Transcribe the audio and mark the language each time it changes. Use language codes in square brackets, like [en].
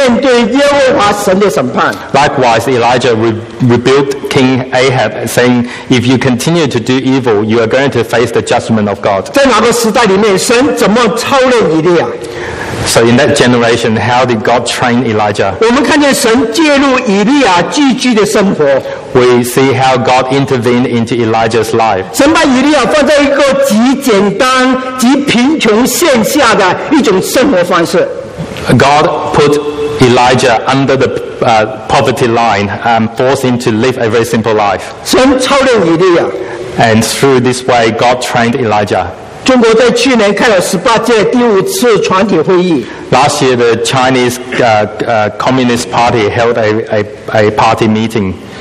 [zh] 以利亚赶去叫当时的亚哈王，如果你继续犯罪，就会面对耶和华神的审判。 [en] Likewise, Elijah rebuked King Ahab, saying, if you continue to do evil, you are going to face the judgment of God. [zh] 在哪个时代里面，神怎么操练以利亚？ [en] So in that generation, how did God train Elijah? [zh] 我们看见神介入以利亚寄居的生活。 [en] We see how God intervened into Elijah's life. [zh] 神把以利亚放在一个极简单、极贫穷线下的一种生活方式。 [en] God put Elijah under the poverty line and forced him to live a very simple life. [zh] 神操练以利亚。 [en] And through this way, God trained Elijah. [zh] 中国在去年开了18届第五次全体会议。 [en] Last year, the Chinese Communist Party held a party meeting.